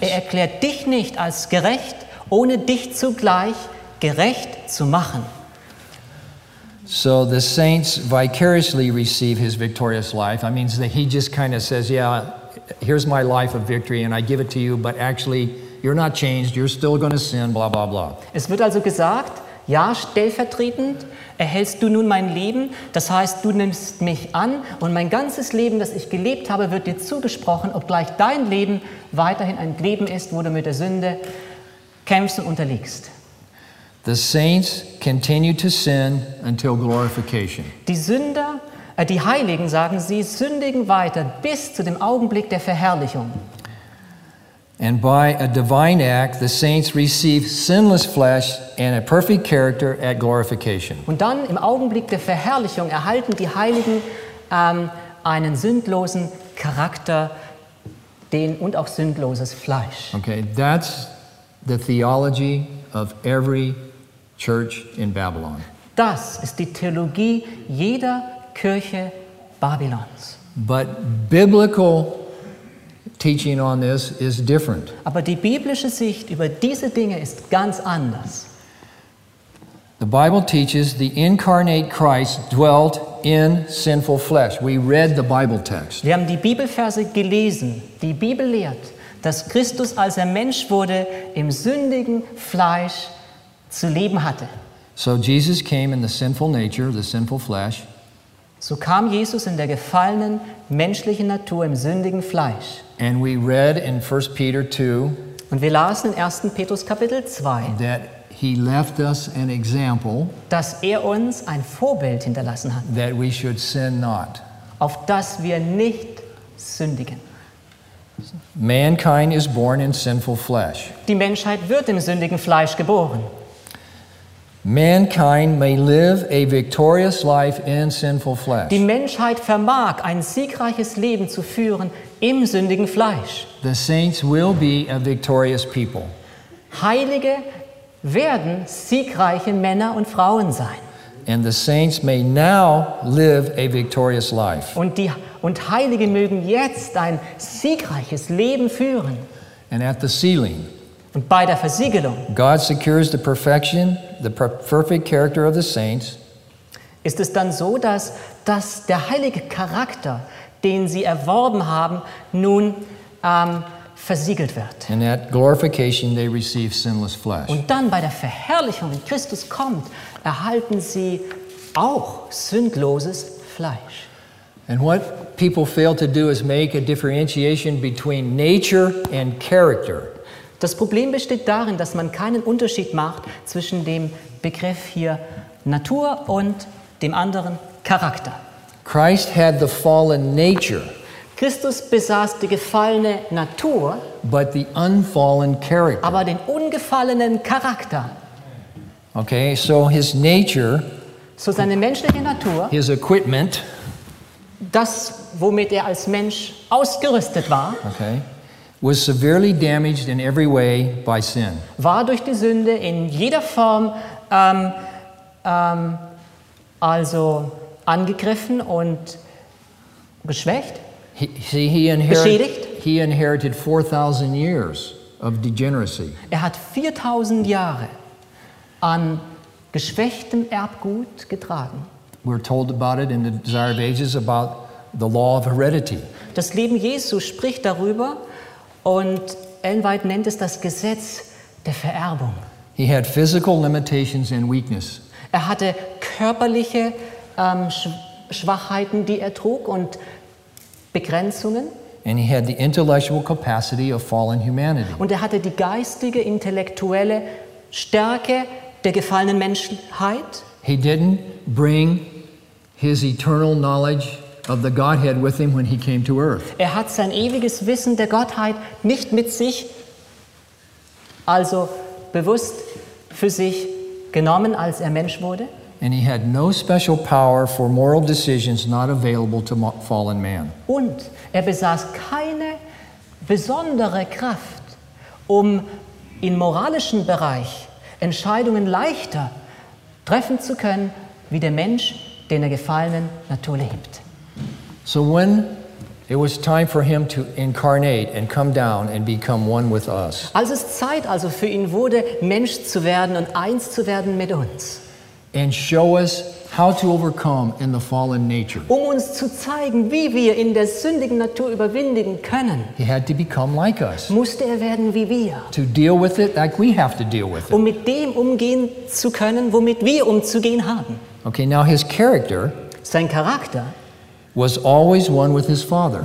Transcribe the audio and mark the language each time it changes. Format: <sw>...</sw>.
<de>Er erklärt dich nicht als gerecht, ohne dich zugleich gerecht zu machen.</de> <en>So the saints vicariously receive his victorious life. I mean, that he just kind of says, yeah, here's my life of victory and I give it to you, but actually you're not changed, you're still going to sin, blah, blah, blah.</en> <de>Es wird also gesagt, ja, stellvertretend erhältst du nun mein Leben, das heißt, du nimmst mich an und mein ganzes Leben, das ich gelebt habe, wird dir zugesprochen, obgleich dein Leben weiterhin ein Leben ist, wo du mit der Sünde kämpfst und unterliegst.</de> <en>The saints continue to sin until glorification.</en> <de>Die Sünder, die Heiligen, sagen sie, sündigen weiter bis zu dem Augenblick der Verherrlichung.</de> <en>And by a divine act, the saints receive sinless flesh and a perfect character at glorification.</en> <de>Und dann im Augenblick der Verherrlichung erhalten die Heiligen einen sündlosen Charakter, den und auch sündloses Fleisch.</de> <en>Okay, that's the theology of every church in Babylon.</en> <de>Das ist die Theologie jeder Kirche Babylons.</de> <en>But biblical teaching on this is different.</en> <de>Aber die biblische Sicht über diese Dinge ist ganz anders.</de> <en>The Bible teaches the incarnate Christ dwelt in sinful flesh. We read the Bible text.</en> <de>Wir haben die Bibelverse gelesen. Die Bibel lehrt, dass Christus, als er Mensch wurde, im sündigen Fleisch zu leben hatte.</de> <en>So Jesus came in the sinful nature, the sinful flesh.</en> <de>So kam Jesus in der gefallenen menschlichen Natur im sündigen Fleisch.</de> <en>And we read in 1 Peter 2.</en> <de>Und wir lasen in 1. Petrus Kapitel 2.</de> <en>That he left us an example.</en> <de>Dass er uns ein Vorbild hinterlassen hat.</de> <en>That we should sin not.</en> <de>Auf dass wir nicht sündigen.</de> <en>Mankind is born in sinful flesh.</en> <de>Die Menschheit wird im sündigen Fleisch geboren.</de> <en>Mankind may live a victorious life in sinful flesh.</en> <de>Die Menschheit vermag ein siegreiches Leben zu führen im sündigen Fleisch.</de> <en>The saints will be a victorious people.</en> <de>Heilige werden siegreiche Männer und Frauen sein.</de> <en>And the saints may now live a victorious life.</en> <de>Und Heilige mögen jetzt ein siegreiches Leben führen.</de> <en>And at the sealing,</en> <de>und bei der Versiegelung,</de> <en>God secures the perfection, the perfect character of the saints.</en> <de>Ist es dann so, dass der heilige Charakter, den sie erworben haben, nun versiegelt wird?</de> <en>And at glorification, they receive sinless flesh.</en> <de>Und dann bei der Verherrlichung, wenn Christus kommt, erhalten sie auch sündloses Fleisch.</de> <en>And what people fail to do is make a differentiation between nature and character.</en> <de>Das Problem besteht darin, dass man keinen Unterschied macht zwischen dem Begriff hier Natur und dem anderen Charakter.</de> <en>Christ had the fallen nature.</en> <de>Christus besaß die gefallene Natur,</de> <en>but the unfallen character.</en> <de>Aber den ungefallenen Charakter.</de> <en>Okay, so his nature,</en> <de>so seine menschliche Natur,</de> <en>his equipment,</en> <de>das, womit er als Mensch ausgerüstet war,</de> <en>okay, was severely damaged in every way by sin.</en> <de>War durch die Sünde in jeder Form also angegriffen und geschwächt. Beschädigt.</de> <en>He inherited 4,000 years of degeneracy.</en> <de>Er hat 4,000 Jahre an geschwächtem Erbgut getragen.</de> <en>We're told about it in the Desire of Ages about the law of heredity.</en> <de>Das Leben Jesu spricht darüber, und Ellen White nennt es das Gesetz der Vererbung.</de> <en>He had physical limitations and weakness.</en> <de>Er hatte körperliche Schwachheiten, die er trug, und Begrenzungen.</de> <en>And he had the intellectual capacity of fallen humanity.</en> <de>Und er hatte die geistige, intellektuelle Stärke der gefallenen Menschheit.</de> <en>He didn't bring his eternal knowledge of the Godhead with him when he came to earth.</en> <de>Er hat sein ewiges Wissen der Gottheit nicht mit sich, also bewusst für sich genommen, als er Mensch wurde.</de> <en>And he had no special power for moral decisions not available to fallen man.</en> <de>Und er besaß keine besondere Kraft, um im moralischen Bereich Entscheidungen leichter treffen zu können, wie der Mensch, den der gefallenen Natur lebt.</de> <en>So when it was time for him to incarnate and come down and become one with us.</en> <de>Als es Zeit also für ihn wurde, Mensch zu werden und eins zu werden mit uns.</de> <en>And show us how to overcome in the fallen nature.</en> <de>Um uns zu zeigen, wie wir in der sündigen Natur überwinden können.</de> <en>He had to become like us.</en> <de>Musste er werden wie wir.</de> <en>To deal with it like we have to deal with it.</en> <de>Um mit dem umgehen zu können, womit wir umzugehen haben.</de> <en>Okay, now his character.</en> <de>Sein Charakter.</de> <en>Was always one with his father.</en>